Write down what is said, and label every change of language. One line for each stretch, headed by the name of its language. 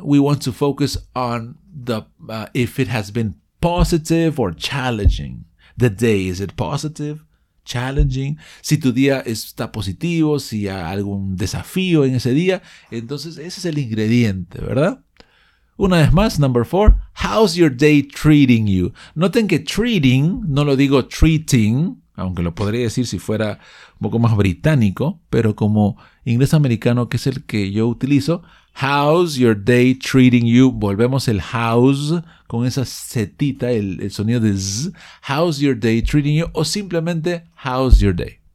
English: We want to focus on the if it has been positive or challenging. The day, is it positive? Challenging.
Spanish: Si tu día está positivo, si hay algún desafío en ese día. Entonces ese es el ingrediente, ¿verdad? Una vez más,
English: number 4. How's your day treating you?
Spanish: Noten que treating, no lo digo treating, aunque lo podría decir si fuera un poco más británico, pero como inglés americano, que es el que yo utilizo.
English: How's your day treating you?
Spanish: Volvemos el how's con esa zetita, el sonido de z.
English: How's your day treating you?
Spanish: O simplemente,
English: how's your day?